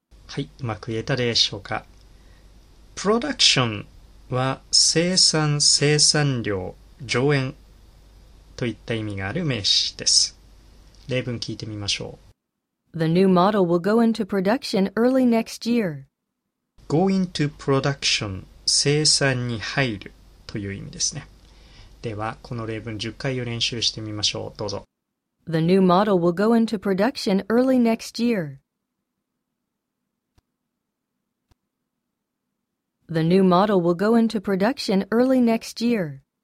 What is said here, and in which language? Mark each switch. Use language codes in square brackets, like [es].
[ja] はい、うまく言えたでしょうか。プロダクションは生産、生産量、上演といった意味がある名詞です。例文聞いてみましょう。 [en] The new model will go into production early next year. Go into production、 [ja] 生産に入るという意味ですね。では、この例文10回を練習してみましょう。どうぞ。 [en] The new model will go into production early next year. The new model will go into production early next year.